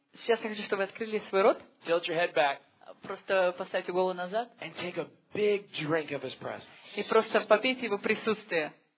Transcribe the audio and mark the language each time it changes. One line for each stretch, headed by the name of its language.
Russian: Сейчас я хочу, чтобы вы открыли свой рот.
English: Tilt your head back.
Russian: Просто поставьте голову назад.
English: And take a big drink of His presence.
Russian: И просто попейте Его присутствие.